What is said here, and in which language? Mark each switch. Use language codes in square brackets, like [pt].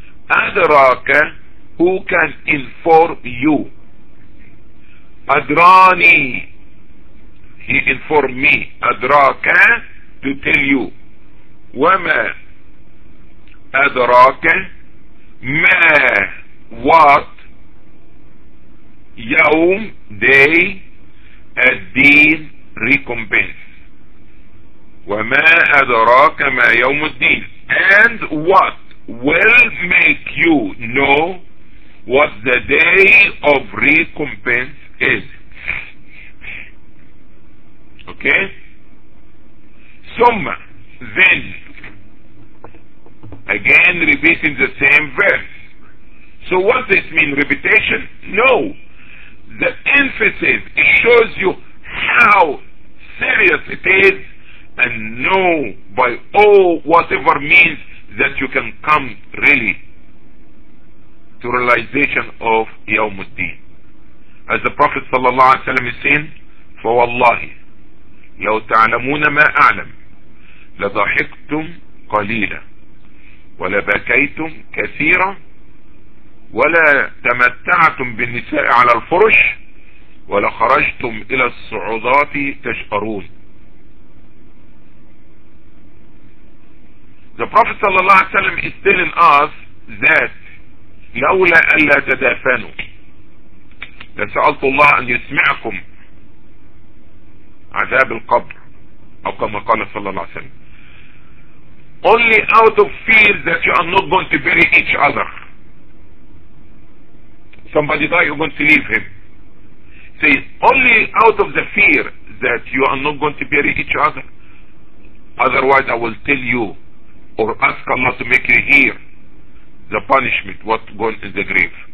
[en] أدراك, who can inform you? أدراني, he informed me. أدراك, to tell you. [ar] وما أدراك, ما, [en] what, [ar] يوم, [en] day, [ar] الدين, [en] recompense. [ar] وما أدراك ما يوم الدين. [en] And what will make you know what the day of recompense is. Okay? ثم, then, again repeating the same verse. So what does it mean, repetition? No. The emphasis, it shows you how serious it is, and know by all whatever means that you can come really to realization of يوم الدين. As the Prophet [ar] صلى الله عليه وسلم [en] is saying, [ar] فَوَاللَّهِ لَوْ تَعْلَمُونَ مَا أَعْلَمْ لَضَحِكْتُمْ قَلِيلًا وَلَبَكَيْتُمْ كَثِيرًا ولا تمتعتم بالنساء على الفرش ولا خرجتم الى الصعودات تشعرون. [en] The Prophet [ar] sallallahu alaihi wasallam [en] is telling us that [ar] لَوْلَا أَلَّا تَدَافَنُوا لَسَأَلْتُ اللَّهَ أَنْ يَسْمِعَكُمْ عَذَابِ الْقَبْرِ أو كما قال صلى الله عليه وسلم. [en] Only out of fear that you are not going to bury each other. Somebody die, you're going to leave him. Say, only out of the fear that you are not going to bury each other. Otherwise, I will tell you or ask Allah to make you hear the punishment, what going in the grave.